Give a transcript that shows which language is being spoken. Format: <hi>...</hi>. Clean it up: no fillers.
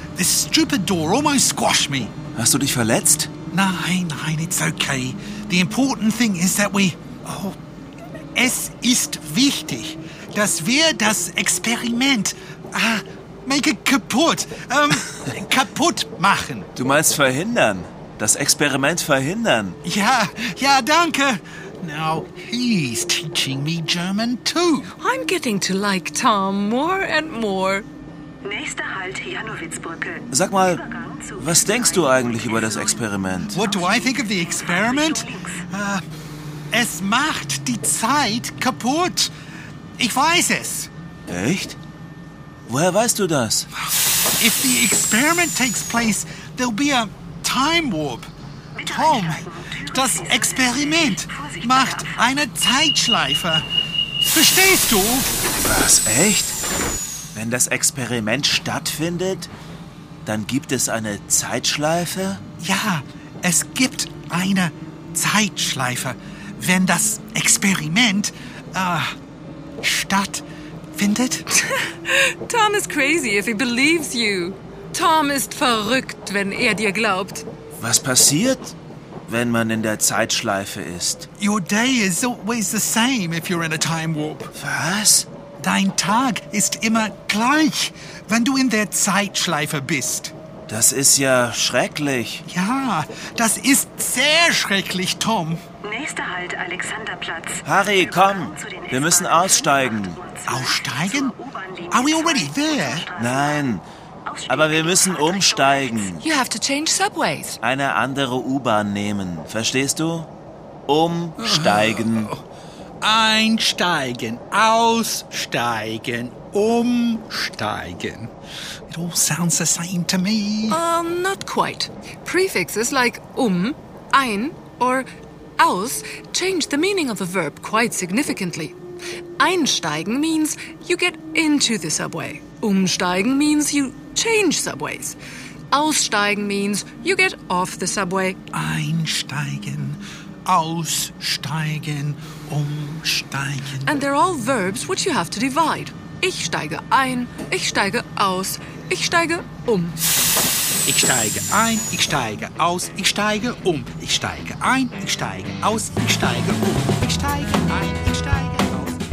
<en>This stupid door almost squashed me.</en> <de>Hast du dich verletzt? Nein, nein,</de> <en>it's okay. The important thing is that we...</en> <de>Oh, es ist wichtig, dass wir das Experiment...</de> <en>make it</en> <de>kaputt. kaputt machen. Du meinst verhindern. Das Experiment verhindern. Ja, ja, danke.</de> <en>Now he's teaching me German too. I'm getting to like Tom more and more.</en> <de>Nächster Halt, Janowitzbrücke. Sag mal, was denkst du eigentlich über das Experiment?</de> <en>What do I think of the experiment?</en> <de>Es macht die Zeit kaputt. Ich weiß es. Echt? Woher weißt du das?</de> <en>If the experiment takes place, there'll be a time warp.</en> <de>Tom, das Experiment macht eine Zeitschleife. Verstehst du? Was, echt? Wenn das Experiment stattfindet, dann gibt es eine Zeitschleife? Ja, es gibt eine Zeitschleife, wenn das Experiment stattfindet.</de> <en>Tom is crazy if he believes you.</en> <de>Tom ist verrückt, wenn er dir glaubt. Was passiert, wenn man in der Zeitschleife ist?</de> <en>Your day is always the same if you're in a time warp.</en> <de>Was? Dein Tag ist immer gleich, wenn du in der Zeitschleife bist. Das ist ja schrecklich. Ja, das ist sehr schrecklich, Tom. Nächster Halt, Alexanderplatz. Harry, komm, wir müssen aussteigen.</de> <en>Aussteigen? Are we already there?</en> <de>Nein, aber wir müssen umsteigen.</de> <en>You have to change subways.</en> <de>Eine andere U-Bahn nehmen, verstehst du? Umsteigen. Einsteigen, aussteigen, umsteigen.</de> <en>It all sounds the same to me. Not quite. Prefixes like um, ein or aus change the meaning of a verb quite significantly. Einsteigen means you get into the subway. Umsteigen means you change subways. Aussteigen means you get off the subway.</en> <de>Einsteigen, aussteigen, umsteigen.</de> <en>And they're all verbs which you have to divide.</en> <de>Ich steige ein, ich steige aus, ich steige um. Ich steige ein, ich steige aus, ich steige um. Ich steige ein, ich steige aus, ich steige um. Ich steige ein, ich steige aus.</de>